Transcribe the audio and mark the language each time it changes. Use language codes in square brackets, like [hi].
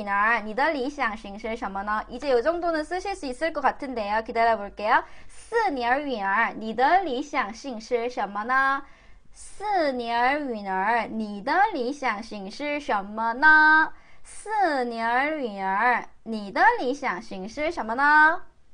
[zh] 스니얼윈아,你的理想型是什么呢? [ko] 이제 요 정도는 쓰실 수 있을 것 같은데요. 기다려 볼게요. [zh] 스니얼윈아,你的理想型是什么呢? 스니얼윈아,你的理想型是什么呢? 스니얼윈아,你的理想型是什么呢?